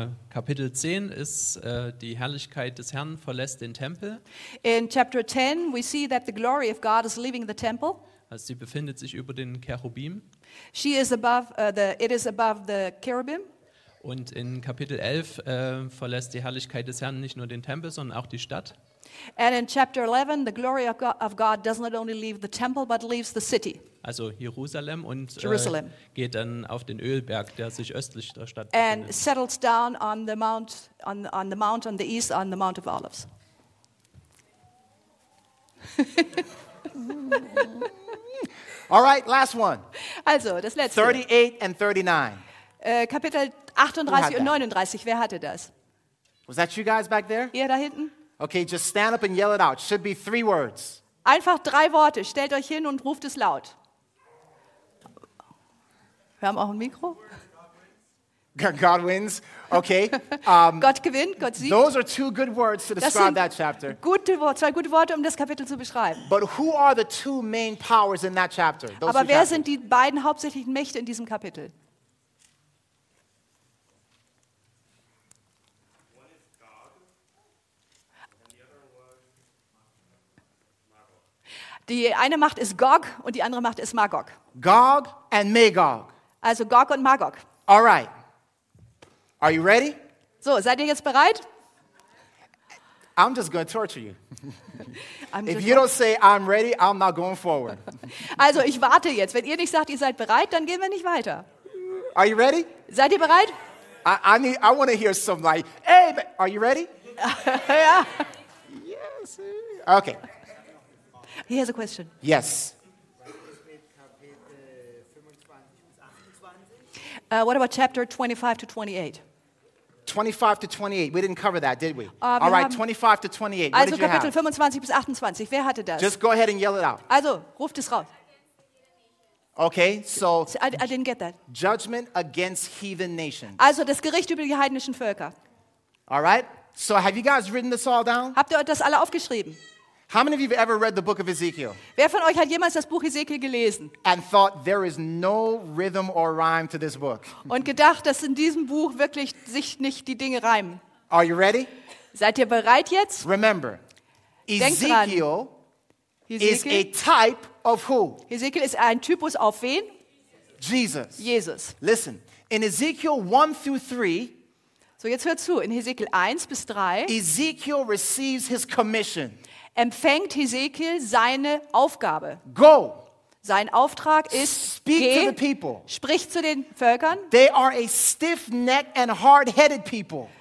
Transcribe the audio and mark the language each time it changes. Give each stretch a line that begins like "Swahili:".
German: Kapitel 10 ist die Herrlichkeit des Herrn verlässt den Tempel.
English: In chapter 10 we see that the glory of God is leaving the temple.
German: Also sie befindet sich über den Cherubim.
English: She is above the, it is above the cherubim.
German: Und in Kapitel 11 verlässt die Herrlichkeit des Herrn nicht nur den Tempel, sondern auch die Stadt.
English: And in chapter 11 the glory of God does not only leave the temple but leaves the city.
German: Also Jerusalem und Jerusalem. Geht dann auf den Ölberg, der sich östlich der Stadt befindet.
English: And settles down on the mount on the mount on the east on the Mount of Olives. All right, last one.
German: Also, das letzte.
English: 38 and 39.
German: Kapitel 38 und 39. Wer hatte das?
English: Was that you guys back there?
German: Ihr da hinten?
English: Okay, just stand up and yell it out. Should be three words.
German: Einfach drei Worte. Stellt euch hin und ruft es laut. Wir haben auch ein Mikro.
English: God wins. Okay.
German: Gott gewinnt, Gott siegt.
English: Those are two good words to describe that chapter.
German: Zwei gute Worte, um das Kapitel zu beschreiben.
English: But who are the two main powers in that chapter? Those
German: Aber wer
English: chapters?
German: Sind die beiden hauptsächlichen Mächte in diesem Kapitel? Die eine Macht ist Gog und die andere Macht ist Magog.
English: Gog and Magog.
German: Also Gog und Magog.
English: All right. Are you ready?
German: So, seid ihr jetzt bereit?
English: I'm just going to torture you. If you don't say I'm ready, I'm not going forward.
German: Also, ich warte jetzt. Wenn ihr nicht sagt, ihr seid bereit, dann gehen wir nicht weiter.
English: Are you ready?
German: Seid ihr bereit?
English: I want to hear some like, hey, are you ready?
German: Ja.
English: Yes. Okay. He has a question. Yes. What about chapter 25 to 28? 25 to 28. We didn't cover that, did we? All right, 25 to 28. What
German: also
English: did you
German: Kapitel
English: have?
German: 25 bis 28. Wer hatte das?
English: Just go ahead and yell it out.
German: Also, ruft es raus.
English: Okay, so. I didn't get that. Judgment against heathen nations.
German: Also, das Gericht über die heidnischen Völker.
English: All right. So, have you guys written this all down?
German: Habt ihr das alle aufgeschrieben?
English: How many of you have ever read the book of Ezekiel?
German: Wer von euch hat jemals das Buch Ezekiel gelesen?
English: And thought there is no rhythm or rhyme to this book.
German: Und gedacht, dass in diesem Buch wirklich sich nicht die Dinge reimen.
English: Are you ready?
German: Seid ihr bereit jetzt?
English: Remember, Ezekiel is a type of who?
German: Ezekiel ist ein Typus auf wen?
English: Jesus.
German: Jesus.
English: Listen, in Ezekiel 1 through 3,
German: so jetzt hört zu, in Ezekiel 1 bis 3,
English: Ezekiel receives his commission.
German: Empfängt Hesekiel seine Aufgabe.
English: Go.
German: Sein Auftrag ist,
English: speak
German: geh,
English: to the people.
German: Sprich zu den Völkern.
English: They are a stiff-necked and hard-headed people.